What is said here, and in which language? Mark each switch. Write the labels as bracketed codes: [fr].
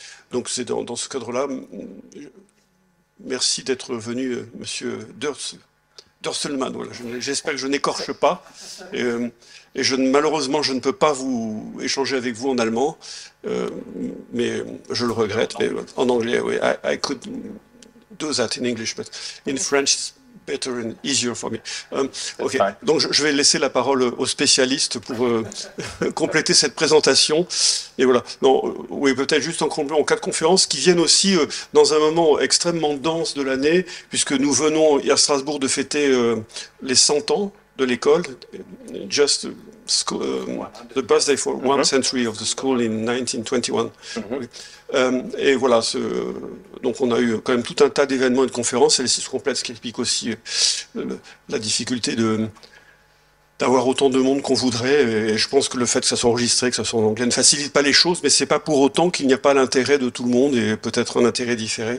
[fr] Donc c'est dans ce cadre-là. Merci d'être venu, monsieur Dörstelmann, voilà. J'espère que je n'écorche pas. Malheureusement, je ne peux pas vous échanger avec vous en allemand. Mais je le regrette. Mais en anglais, oui. [en] I could do that in English, but in French, it's better and easier for me. OK. Fine. [fr] Donc, je vais laisser la parole aux spécialistes pour compléter cette présentation. Et voilà. Non, oui, peut-être juste en complément, quatre conférences qui viennent aussi dans un moment extrêmement dense de l'année, puisque nous venons à Strasbourg de fêter les 100 ans de l'école. [en] Just the birthday for one century of the school in 1921. [fr] Oui. Et voilà, donc on a eu quand même tout un tas d'événements et de conférences, celles-ci se complètent, ce qui explique aussi la difficulté d'avoir autant de monde qu'on voudrait. Et je pense que le fait que ça soit enregistré, que ça soit en anglais, ne facilite pas les choses, mais ce n'est pas pour autant qu'il n'y a pas l'intérêt de tout le monde et peut-être un intérêt différé.